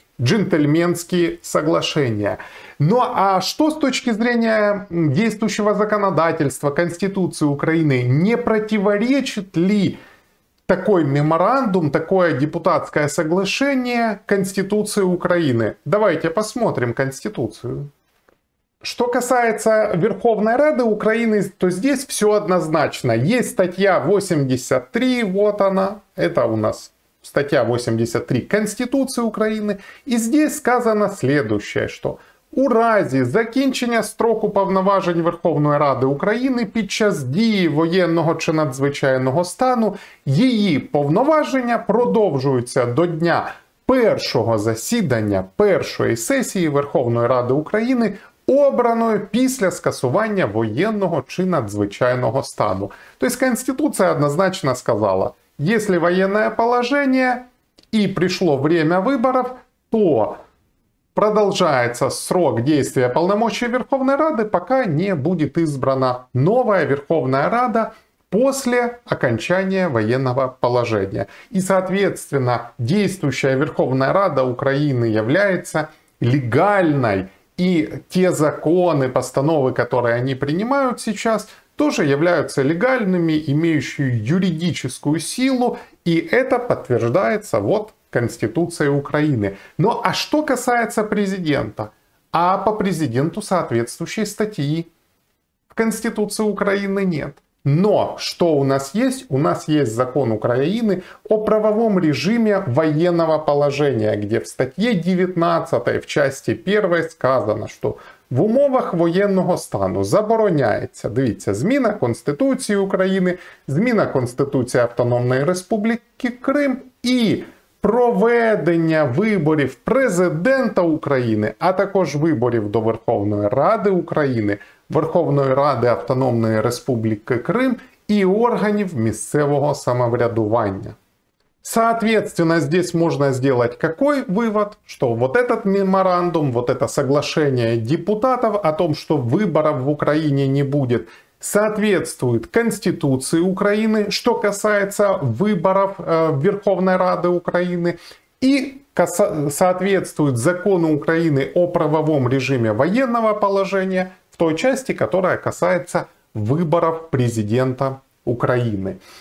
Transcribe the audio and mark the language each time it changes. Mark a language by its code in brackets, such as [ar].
[ru] джентльменские соглашения. Ну а что с точки зрения действующего законодательства, Конституции Украины, не противоречит ли такой меморандум, такое депутатское соглашение Конституции Украины? Давайте посмотрим Конституцию. Что касается Верховной Рады Украины, то здесь все однозначно. Есть статья 83, вот она, это у нас статья 83 Конституции Украины. И здесь сказано следующее, что [uk] у разі закінчення строку повноважень Верховної Ради України під час дії воєнного чи надзвичайного стану її повноваження продовжуються до дня першого засідання першої сесії Верховної Ради України, обраної після скасування воєнного чи надзвичайного стану. Тобто Конституція однозначно сказала, якщо воєнне положення і прийшло час виборів, то [ru] продолжается срок действия полномочий Верховной Рады, пока не будет избрана новая Верховная Рада после окончания военного положения. И, соответственно, действующая Верховная Рада Украины является легальной, и те законы, постановы, которые они принимают сейчас, тоже являются легальными, имеющие юридическую силу, и это подтверждается вот Конституции Украины. Ну а что касается президента? А по президенту соответствующей статьи в Конституции Украины нет. Но что у нас есть? У нас есть закон Украины о правовом режиме военного положения, где в статье 19 в части 1 сказано, что [uk] в умовах воєнного стану забороняється, дивіться, зміна Конституції України, зміна Конституції Автономної Республіки Крим і проведення виборів президента України, а також виборів до Верховної Ради України, Верховної Ради Автономної Республіки Крим і органів місцевого самоврядування. [ru] Соответственно, здесь можно сделать какой вывод, что вот этот меморандум, вот это соглашение депутатов о том, что выборов в Украине не будет, соответствует Конституции Украины, что касается выборов Верховной Рады Украины, и соответствует закону Украины о правовом режиме военного положения в той части, которая касается выборов президента Украины.